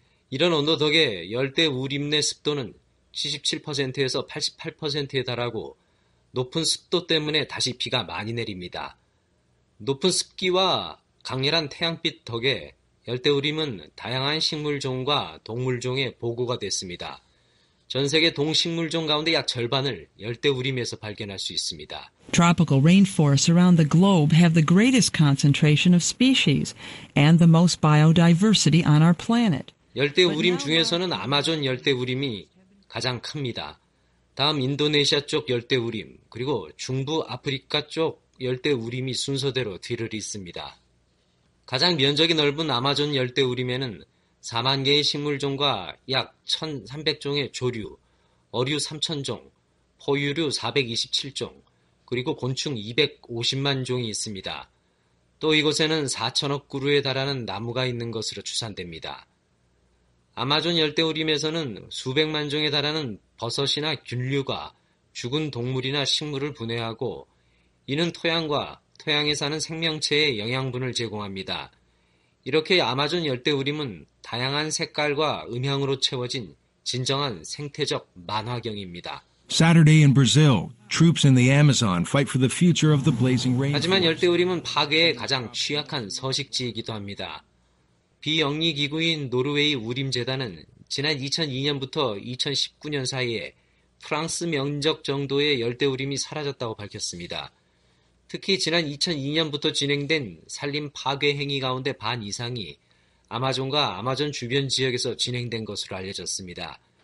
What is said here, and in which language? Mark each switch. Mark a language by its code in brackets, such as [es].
[ko] 이런 온도 덕에 열대우림 내 습도는 77%에서 88%에 달하고 높은 습도 때문에 다시 비가 많이 내립니다. 높은 습기와 강렬한 태양빛 덕에 열대우림은 다양한 식물종과 동물종의 보고가 됐습니다. 전 세계 동식물종 가운데 약 절반을 열대우림에서 발견할 수 있습니다. [en] Tropical rainforests around the globe have the greatest concentration of species and the most biodiversity on our planet. [ko] 열대우림 중에서는 아마존 열대우림이 가장 큽니다. 다음 인도네시아 쪽 열대우림, 그리고 중부 아프리카 쪽 열대우림이 순서대로 뒤를 잇습니다. 가장 면적이 넓은 아마존 열대우림에는 4만 개의 식물종과 약 1,300종의 조류, 어류 3,000종, 포유류 427종, 그리고 곤충 250만 종이 있습니다. 또 이곳에는 4천억 그루에 달하는 나무가 있는 것으로 추산됩니다. 아마존 열대우림에서는 수백만 종에 달하는 버섯이나 균류가 죽은 동물이나 식물을 분해하고 이는 토양과 토양에 사는 생명체에 영양분을 제공합니다. 이렇게 아마존 열대우림은 다양한 색깔과 음향으로 채워진 진정한 생태적 만화경입니다. [en] Saturday in Brazil, troops in the Amazon fight for the future of the blazing rainforest. [ko] 하지만 열대 우림은 파괴에 가장 취약한 서식지이기도 합니다. 비영리 기구인 노르웨이 우림 재단은 지난 2002년부터 2019년 사이에 프랑스 면적 정도의 열대 우림이 사라졌다고 밝혔습니다. 특히 지난 2002년부터 진행된 산림 파괴 행위 가운데 반 이상이 아마존과 아마존 주변 지역에서 진행된 것으로 알려졌습니다.